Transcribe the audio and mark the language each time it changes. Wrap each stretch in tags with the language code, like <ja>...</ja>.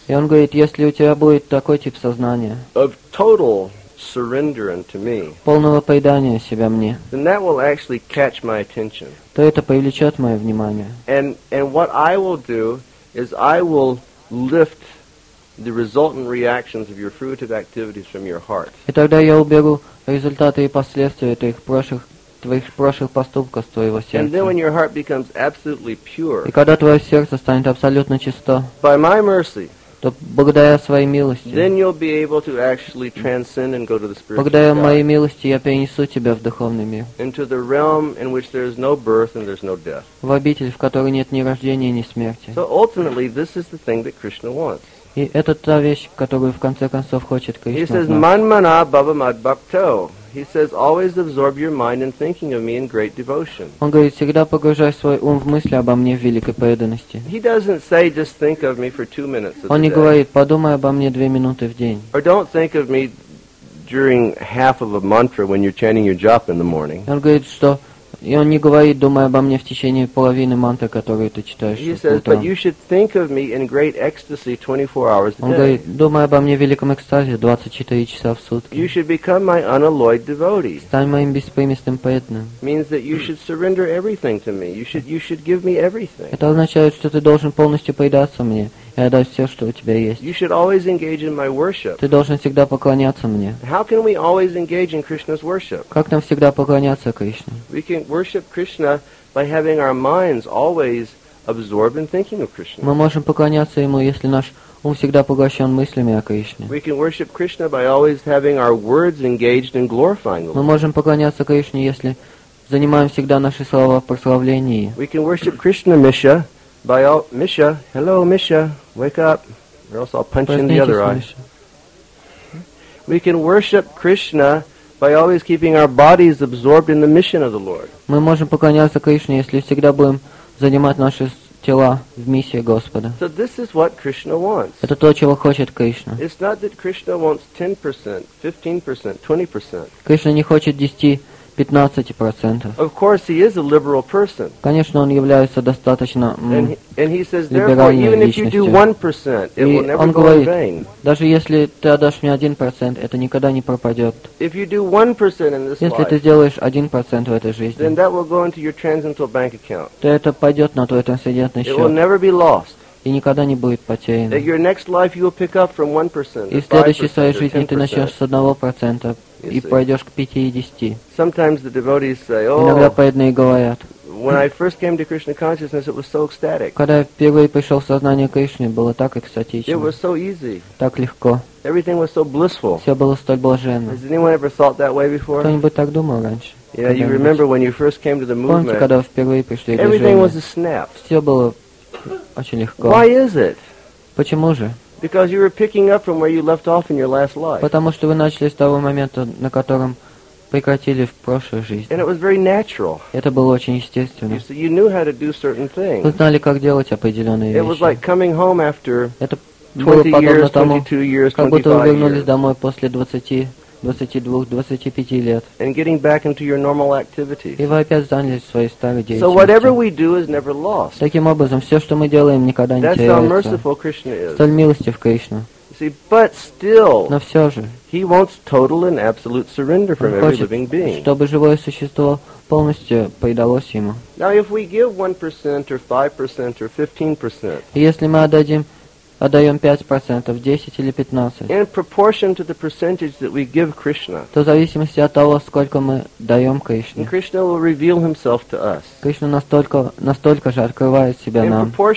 <ru>и он говорит, если у тебя будет такой тип сознания,</ru> <en>of total surrender unto me.</en> <ru>Полного предания себя мне.</ru> <en>Then that will actually catch my attention.</en> <ru>То это привлечет мое внимание.</ru> <en>And what I will do is I will lift the resultant reactions of your fruitive activities from your heart.</en> <ru>И тогда я уберу результаты и последствия твоих прошлых поступков с твоего сердца.</ru> <en>And then when your heart becomes absolutely pure.</en> <ru>И когда твое сердце станет абсолютно чисто.</ru> <en>By my mercy.</en> <ru>То благодаря своей милости.</ru> <en>Then you'll be able to actually transcend and go to the spiritual</en> <ru>Благодаря моей милости я перенесу тебя в духовный мир.</ru> <en>Into the realm in which there is no birth and there's no death.</en> <ru>В обитель, в которой нет ни рождения, ни смерти.</ru> <en>So ultimately, this is the thing that Krishna wants.</en> <ru>И это та вещь, которую в конце концов хочет Кришна.</ru> <en>He says,</en> <sa>"Manmana bhava mad bhakto."</sa> <en>He says, "Always absorb your mind in thinking of me in great devotion."</en> <ru>Он говорит, всегда погружай свой ум в мысли обо мне в великой преданности.</ru> <en>He doesn't say, "Just think of me for 2 minutes a day."</en> <ru>Он не говорит, подумай обо мне 2 минуты в день.</ru> <en>Or don't think of me during half of a mantra when you're chanting your japa in the morning.</en> <ru>Он говорит, что и он не говорит, думай обо мне в течение половины мантры, которую ты читаешь.</ru> <en>He says, "But you should think of me in great ecstasy 24 hours a day."</en> <ru>Он говорит, думай обо мне в великом экстазе 24 часа в сутки.</ru> <en>You should become my unalloyed devotee.</en> <ru>Стань моим беспримесным преданным.</ru> <en>Means that you should surrender everything to me. You should give me everything.</en> <ru>Это означает, что ты должен полностью предаться мне. И отдать все, что у тебя есть.</ru> <en>You should always engage in my worship.</en> <ru>Ты должен всегда поклоняться мне.</ru> <en>How can we always engage in Krishna's worship?</en> <ru>Как нам всегда поклоняться Кришне?</ru> <en>We can worship Krishna by having our minds always absorbed in thinking of Krishna.</en> <ru>Мы можем поклоняться ему, если наш ум всегда поглощен мыслями о Кришне.</ru> <en>We can worship Krishna by always having our words engaged in glorifying him.</en> <ru>Мы можем поклоняться Кришне, если занимаем всегда наши слова в прославлении.</ru> <en>We can worship Krishna, Misha. By all, Misha, hello Misha, wake up, or else I'll punch you in the other eye. Misha. We can worship Krishna by always keeping our bodies absorbed in the mission of the Lord.</en> <ru>Мы можем поклоняться Кришне, если всегда будем занимать наши тела в миссии Господа.</ru> <en>So this is what Krishna wants.</en> <ru>Это то, чего хочет Кришна.</ru> <en>It's not that Krishna wants 10%, 15%, 20%.</en> <ru>Кришна не хочет 10%. 15%.</ru> <en>Of course, he is a liberal person.</en> <ru>Конечно, он является достаточно либеральной личностью. И он говорит, даже если ты отдашь мне 1%, это никогда не пропадет.</ru> <en>If you do 1% in this life,</en> <ru>если ты сделаешь 1% в этой жизни,</ru> <en>then that will go into your transcendental bank account.</en> <ru>То это пойдет на твой трансцендентный счет.</ru> <en>It will never be lost.</en> <ru>И никогда не будет потеряно.</ru> <en>In your next life you will pick up from 1%.</en> <ru>И в следующей своей жизни ты начнешь с 1%. И пройдешь к 50.</ru> <en>Sometimes the devotees say, oh,</en> <ru>иногда преданные говорят,</ru> <en>when I first came to Krishna consciousness, it was so ecstatic.</en> <ru>Когда я впервые пришел в сознание Кришны, было так экстатично.</ru> <en>It was so easy.</en> <ru>Так легко.</ru> <en>Everything was so blissful.</en> <ru>Все было столь блаженно.</ru> <en>Has anyone ever thought that way before?</en> <ru>Кто-нибудь так думал раньше?</ru> <en>Yeah, you remember when you first came to the movement.</en> <ru>Помните, когда вы впервые пришли в движение?</ru> <en>Everything was a snap.</en> <ru>Все было очень легко.</ru> <en>Why is it?</en> <ru>Почему же?</ru> <en>Because you were picking up from where you left off in your last life.</en> <ru>Потому что вы начали с того момента, на котором прекратили в прошлой жизни.</ru> <en>And it was very natural.</en> <ru>Это было очень естественно.</ru> <en>So you knew how to do certain things.</en> <ru>Вы знали, как делать определенные вещи.</ru> <en>It was like coming home after 20 years, 22 years,</en> <ru>как будто вы вернулись домой после 20, 22, 25 лет.</ru> <en>And getting back into your normal activities.</en> <ru>И вы опять занялись своей старой деятельностью.</ru> <en>So whatever we do is never lost.</en> <ru>Таким образом, все, что мы делаем, никогда не теряется.</ru> <en>That's how merciful Krishna is.</en> <ru>Столь милостив Кришна.</ru> <en>See, but still.</en> <ru>Но все же.</ru> <en>He wants total and absolute surrender from every living being.</en> <ru>Он хочет, чтобы живое существо полностью предалось ему.</ru> <en>Now if we give 1% or 5% or 15%.</en> <ru>Если мы отдаем 5%, 10 или 15%, то в зависимости от того, сколько мы даем Кришне, Кришна настолько же открывает себя нам.</ru>